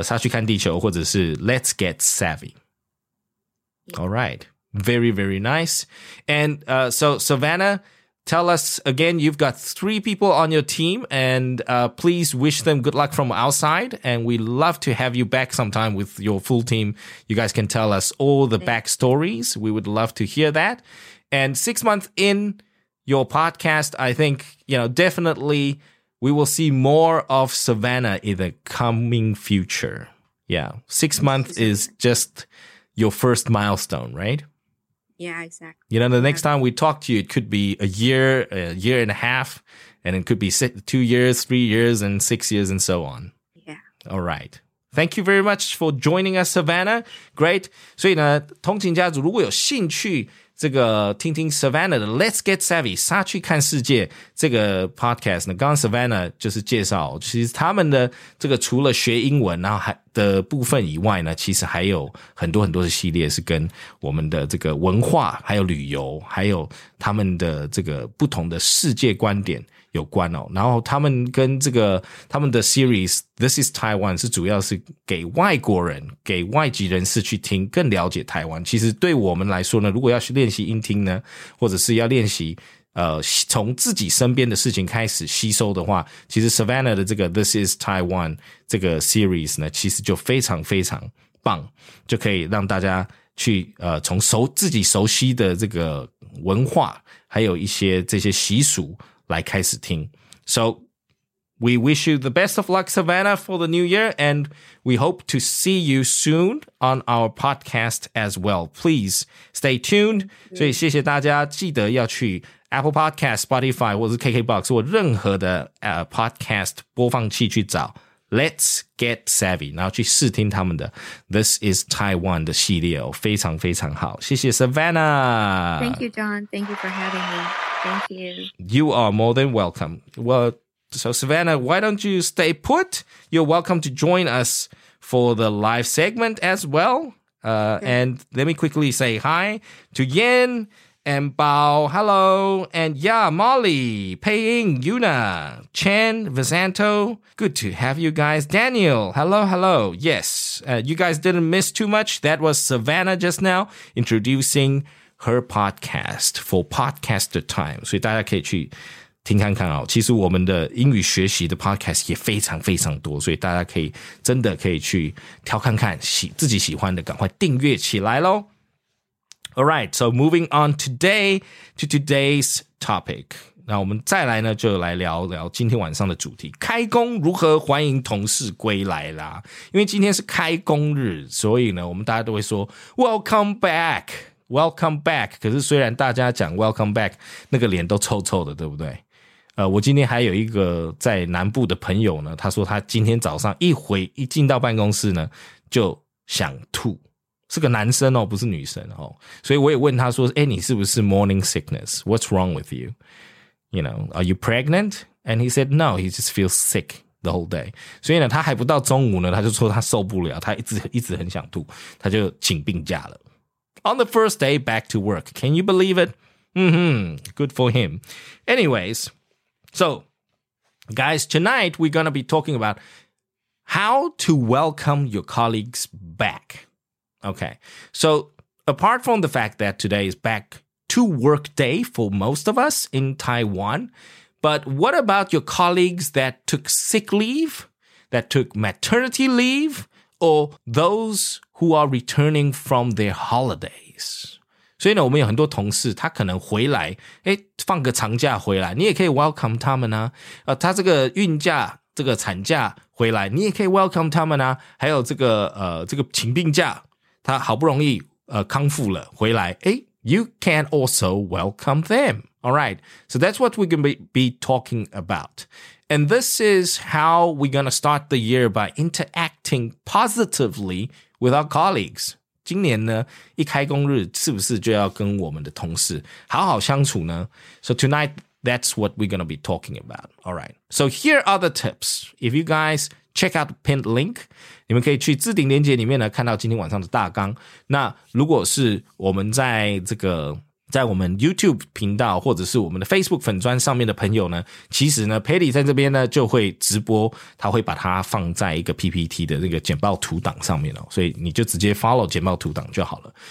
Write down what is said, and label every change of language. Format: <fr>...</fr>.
<zh>沙去看地球或者是 Let's Get Savvy.</zh> <en>Yeah. All right, very, very nice. And so Savannah, tell us again, you've got three people on your team, and please wish them good luck from outside. And we love to have you back sometime with your full team. You guys can tell us all the backstories. We would love to hear that. And 6 months in your podcast, I think, you know, definitely we will see more of Savannah in the coming future. Yeah. 6 months is just your first milestone, right? Yeah, exactly. You know, the next time we talk to you, it could be a year and a half, and it could be 2 years, 3 years, and 6 years, and so on. Yeah. All right. Thank you very much for joining us, Savannah. Great.</en> <zh>所以呢, 通勤家族如果有兴趣, 这个听听 Savannah 的 Let's Get Savvy 沙去看世界这个 podcast 呢, 刚刚 Savannah 就是介绍, 其实他们的这个除了学英文然后的部分以外呢, 其实还有很多很多的系列是跟我们的这个文化还有旅游, 还有他们的这个不同的世界观点, 有关哦, 然后他们跟这个, 他们的 series This is Taiwan 是主要是给外国人, 给外籍人士去听, 更了解台湾, 其实对我们来说呢, 如果要去练习音听呢, 或者是要练习, 从自己身边的事情开始, 吸收的话, 其实Savannah的这个, This is Taiwan 这个 series 呢, 其实就非常非常棒, 就可以让大家, 去, 从熟, 自己熟悉的这个文化, 还有一些这些习俗, 来开始听。 So,</zh> <en>We wish you the best of luck, Savannah, for the new year, and we hope to see you soon on our podcast as well. Please stay tuned.</en> <zh>所以谢谢大家，记得要去 Apple Podcast, Spotify, 或是 KKBOX, 或任何的 podcast 播放器去找 Let's Get Savvy, 然后去试听他们的 This is Taiwan 的系列，非常非常好。谢谢 Savannah!</zh> <en>Thank you, John. Thank you for having me. Thank you. You are more than welcome. Well,So, Savannah, why don't you stay put? You're welcome to join us for the live segment as well. And let me quickly say hi to Yen and Bao. Hello. And yeah, Molly, Peiying, Yuna, Chen, Visanto. Good to have you guys. Daniel, hello, hello. Yes, you guys didn't miss too much. That was Savannah just now introducing her podcast for Podcaster Time.</en> <zh>所以大家可以去听看看哦，其实我们的英语学习的 podcast 也非常非常多，所以大家可以真的可以去挑看看自己喜欢的，赶快订阅起来咯。</zh> <en>Alright, so moving on today to today's topic.</en> <zh>那我们再来呢，就来聊聊今天晚上的主题，开工如何欢迎同事归来啦。因为今天是开工日，所以呢，我们大家都会说 Welcome back, welcome back. 可是虽然大家讲 welcome back, 那个脸都臭臭的，对不对？我今天还有一个在南部的朋友呢，他说他今天早上一进到办公室呢就想吐，是个男生哦，不是女生哦，所以我也问他说，诶，你是不是 morning sickness?</zh> <en>What's wrong with you? You know, are you pregnant? And he said, no, he just feels sick the whole day.</en> <zh>所以呢，他还不到中午呢，他就说他受不了，他一直很想吐，他就请病假了。 On the first day back to work, can you believe it?</zh> <en>Mm-hmm, good for him. Anyways,So, guys, tonight we're going to be talking about how to welcome your colleagues back. Okay, so apart from the fact that today is back to work day for most of us in Taiwan, but what about your colleagues that took sick leave, that took maternity leave, or those who are returning from their holidays?</en> <zh>所以呢，我们有很多同事，他可能回来，诶，放个长假回来，你也可以 welcome 他们啊。他这个孕假，这个产假回来，你也可以 welcome 他们啊。还有这个请病假，他好不容易康复了回来，诶 ， you can also welcome them.</zh> <en>All right, so that's what we're gonna be talking about, and this is how we're gonna start the year by interacting positively with our colleagues.</en> <zh>今年呢，一开工日是不是就要跟我们的同事好好相处呢？</zh> <en>So tonight, that's what we're going to be talking about. All right. So here are the tips.</en> <zh>If you guys check out the pinned link, 你们可以去置顶连结里面呢，看到今天晚上的大纲。那如果是我们在我们 YouTube 频道或者是我们的 Facebook 粉专上面的朋友呢，其实呢 Patty 在这边呢就会直播，他会把它放在一个 PPT 的那个简报图档上面哦，所以你就直接 follow 简报图档就好了。</zh>